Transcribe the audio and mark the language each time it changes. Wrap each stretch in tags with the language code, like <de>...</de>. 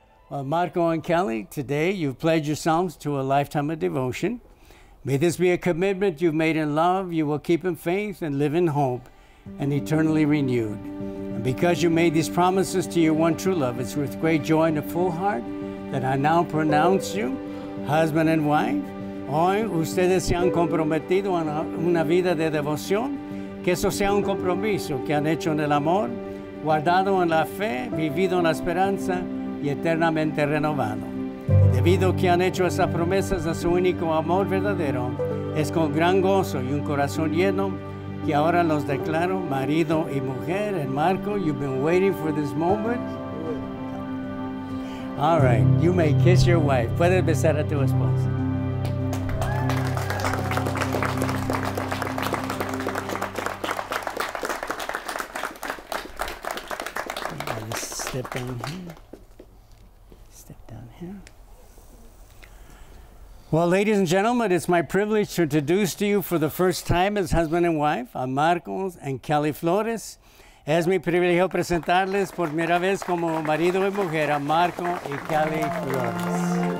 <en>Well, Marco and Kelly, today you've pledged yourselves to a lifetime of devotion. May this be a commitment you've made in love, you will keep in faith and live in hope and eternally renewed. And because you made these promises to your one true love, it's with great joy and a full heart that I now pronounce you husband and wife.</en> <es>Hoy ustedes se han comprometido en una vida de devoción, que eso sea un compromiso que han hecho en el amor, guardado en la fe, vivido en la esperanza y eternamente renovado. Debido que han hecho esas promesas a su único amor verdadero, es con gran gozo y un corazón lleno que ahora los declaro marido y mujer.</es> <en>And Marco, you've been waiting for this moment. All right, you may kiss your wife.</en> <es>Puede besar a tu esposa.</es> <en>Step down here. Well, ladies and gentlemen, it's my privilege to introduce to you for the first time as husband and wife, a Marcos and Kelly Flores.</en> <es>Es mi privilegio presentarles por primera vez como marido y mujer a Marco y Kelly Flores.</es>